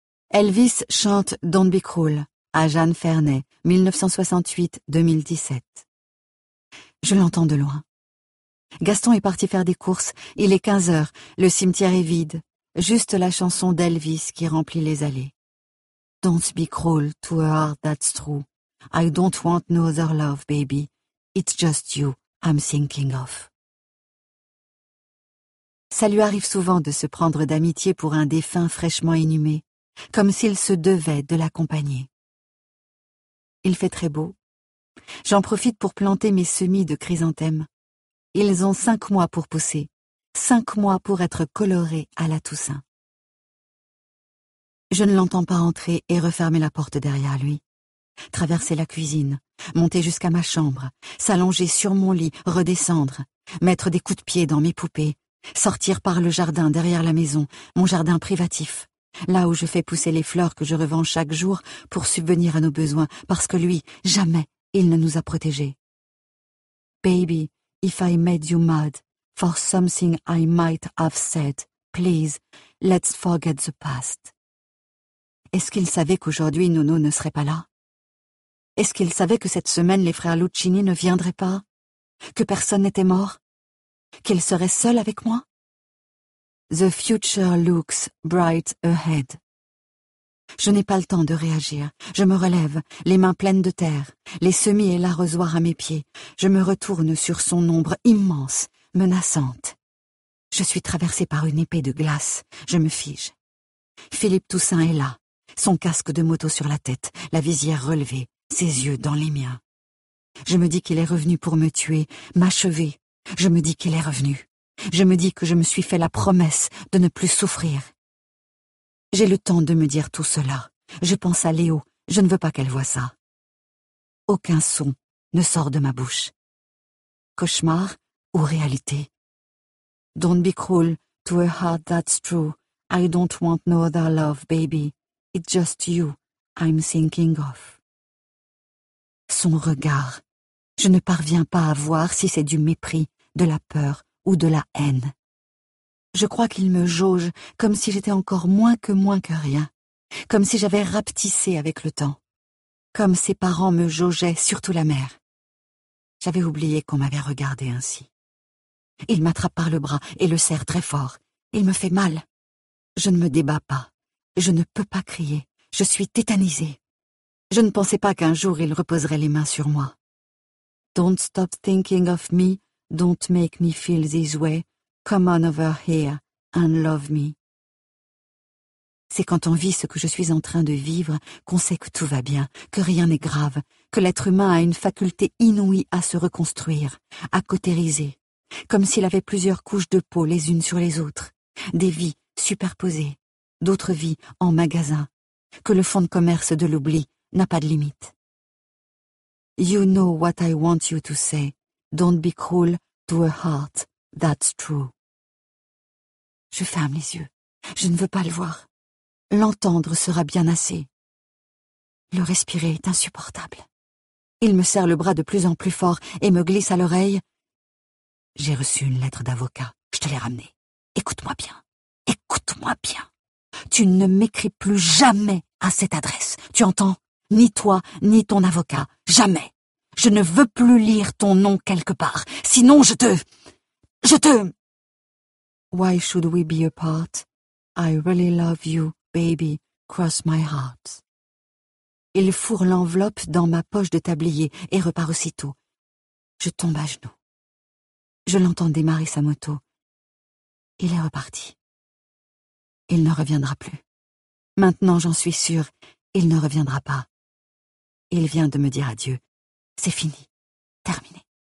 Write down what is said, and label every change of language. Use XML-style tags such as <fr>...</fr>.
<fr>Elvis chante Don't Be Cruel à Jeanne Fernet, 1968-2017. Je l'entends de loin. Gaston est parti faire des courses, il est 15h, le cimetière est vide, juste la chanson d'Elvis qui remplit les allées.</fr> <en>Don't be cruel to a heart that's true. I don't want no other love, baby. It's just you I'm thinking of.</en> <fr>Ça lui arrive souvent de se prendre d'amitié pour un défunt fraîchement inhumé, comme s'il se devait de l'accompagner. Il fait très beau. J'en profite pour planter mes semis de chrysanthèmes. Ils ont 5 mois pour pousser, 5 mois pour être colorés à la Toussaint. Je ne l'entends pas entrer et refermer la porte derrière lui. Traverser la cuisine, monter jusqu'à ma chambre, s'allonger sur mon lit, redescendre, mettre des coups de pied dans mes poupées, sortir par le jardin derrière la maison, mon jardin privatif, là où je fais pousser les fleurs que je revends chaque jour pour subvenir à nos besoins, parce que lui, jamais, il ne nous a protégés.</fr> <en>Baby, if I made you mad for something I might have said, please, let's forget the past.</en> <fr>Est-ce qu'il savait qu'aujourd'hui Nono ne serait pas là? Est-ce qu'il savait que cette semaine les frères Luccini ne viendraient pas? Que personne n'était mort? Qu'il serait seul avec moi?</fr> <en>The future looks bright ahead.</en> <fr>Je n'ai pas le temps de réagir. Je me relève, les mains pleines de terre, les semis et l'arrosoir à mes pieds. Je me retourne sur son ombre immense, menaçante. Je suis traversée par une épée de glace. Je me fige. Philippe Toussaint est là. Son casque de moto sur la tête, la visière relevée, ses yeux dans les miens. Je me dis qu'il est revenu pour me tuer, m'achever. Je me dis qu'il est revenu. Je me dis que je me suis fait la promesse de ne plus souffrir. J'ai le temps de me dire tout cela. Je pense à Léo, je ne veux pas qu'elle voie ça. Aucun son ne sort de ma bouche. Cauchemar ou réalité?</fr> <en>Don't be cruel to a heart that's true. I don't want no other love, baby. It's just you I'm thinking of.</en> <fr>Son regard. Je ne parviens pas à voir si c'est du mépris, de la peur ou de la haine. Je crois qu'il me jauge comme si j'étais encore moins que rien, comme si j'avais rapetissé avec le temps, comme ses parents me jaugeaient, surtout la mère. J'avais oublié qu'on m'avait regardé ainsi. Il m'attrape par le bras et le serre très fort. Il me fait mal. Je ne me débats pas. Je ne peux pas crier, je suis tétanisée. Je ne pensais pas qu'un jour il reposerait les mains sur moi.</fr> <en>Don't stop thinking of me, don't make me feel this way. Come on over here and love me.</en> <fr>C'est quand on vit ce que je suis en train de vivre qu'on sait que tout va bien, que rien n'est grave, que l'être humain a une faculté inouïe à se reconstruire, à cautériser, comme s'il avait plusieurs couches de peau les unes sur les autres, des vies superposées. D'autres vies en magasin, que le fonds de commerce de l'oubli n'a pas de limite.</fr> <en>You know what I want you to say. Don't be cruel to a heart that's true.</en> <fr>Je ferme les yeux. Je ne veux pas le voir. L'entendre sera bien assez. Le respirer est insupportable. Il me serre le bras de plus en plus fort et me glisse à l'oreille. J'ai reçu une lettre d'avocat. Je te l'ai ramenée. Écoute-moi bien. Écoute-moi bien. Tu ne m'écris plus jamais à cette adresse, tu entends? Ni toi, ni ton avocat, jamais. Je ne veux plus lire ton nom quelque part, sinon je te...</fr> <en>Why should we be apart? I really love you, baby, cross my heart.</en> <fr>Il fourre l'enveloppe dans ma poche de tablier et repart aussitôt. Je tombe à genoux. Je l'entends démarrer sa moto. Il est reparti. Il ne reviendra plus. Maintenant, j'en suis sûre, il ne reviendra pas. Il vient de me dire adieu. C'est fini. Terminé.</fr>